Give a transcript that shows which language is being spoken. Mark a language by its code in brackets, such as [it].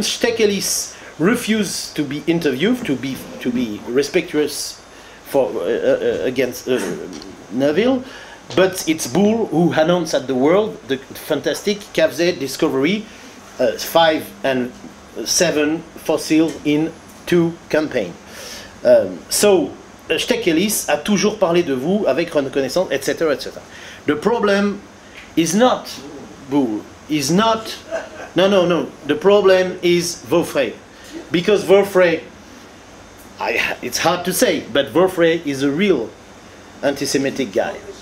[en] Stekelis refused to be interviewed, to be respectuous against Neuville, but it's Boule who announced at the world the fantastic Skavze discovery, 5 and 7 fossils in 2 campaigns. [fr] Stekelis a toujours parlé de vous avec reconnaissance, etc., etc. [en] The problem is not Boule, is not, no, the problem is Vaufray. Because Vaufray, it's hard to say, but Vaufray is a real anti-Semitic guy.